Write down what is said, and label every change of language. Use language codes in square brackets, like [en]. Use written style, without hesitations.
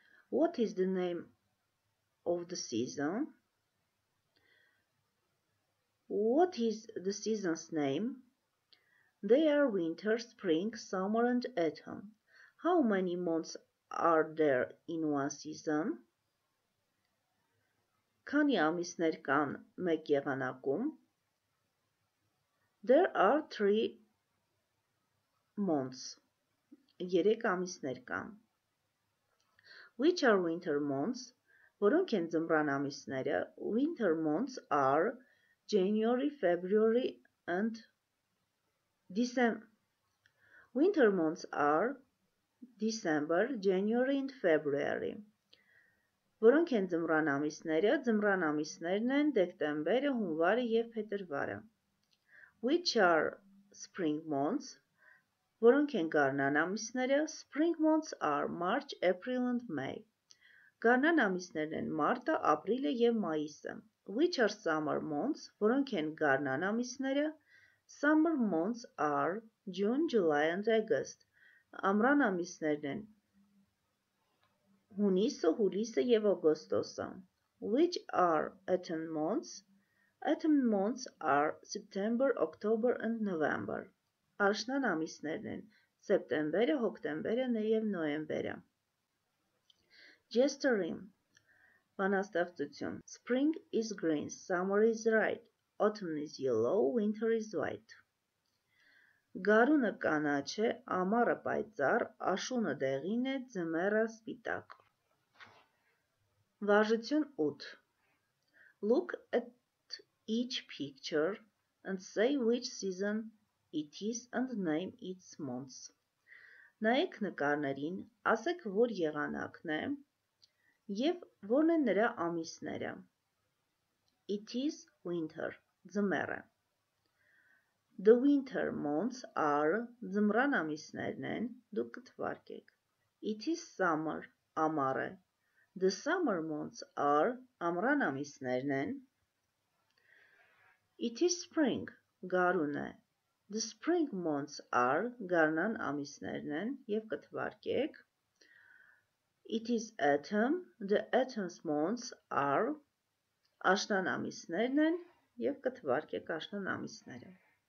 [en] What is the name of the season? What is the season's name? They are winter, spring, summer and autumn. How many months are there in one season? [hy] Քանի ամիսներ կան մեկ եղանակում? [en] There are 3 months. [hy] 3 ամիսներ կան. [en] Which are winter months? [hy] Որոնք են ձմռան ամիսները? [en] Winter months are January, February and December. Winter months are December, January and February. [hy] Որոնք են ձմռան ամիսները? Ձմռան ամիսներն են դեկտեմբերը, հունվարը եւ փետրվարը. [en] Which are spring months? [hy] Որոնք են գարնան ամիսները? [en] Spring months are March, April and May. [hy] Գարնան ամիսներն են մարտը, ապրիլը եւ մայիսը. [en] Which are summer months? [hy] Որոնք են գարնան ամիսները? [en] Summer months are June, July and August. [hy] Ամռան ամիսներն են հունիսը, հուլիսը եւ օգոստոսը. [en] Which are autumn months? Autumn months are September, October and November. [hy] Աշնան ամիսներն են սեպտեմբերը, հոկտեմբերը եւ նոեմբերը. Gesturing. Բանաստեղծություն. [en] Spring is green, summer is red, autumn is yellow, winter is white. [hy] Գարունը կանաչ է, ամառը պայծառ, աշունը դեղին է, ձմեռը սպիտակ. Վարժություն 8. [en] Look at each picture. and say which season it is and name its months. [hy] Նայեք նկարներին, ասեք որ եղանակն է և որն են նրա ամիսները. [en] It is winter, ձմեռը. The winter months are, [hy] ձմռան ամիսներն են, դու կթվարկեք. [en] It is summer, ամառը. The summer months are, [hy] ամռան ամիսներն են. [en] It is spring, [hy] գարուն է. [en] The spring months are, [hy] գարնան ամիսներն են, և կթվարկեք. [en] It is autumn, the autumn's months are, [hy] աշնան ամիսներն են, և կթվարկեք աշնան ամիսները.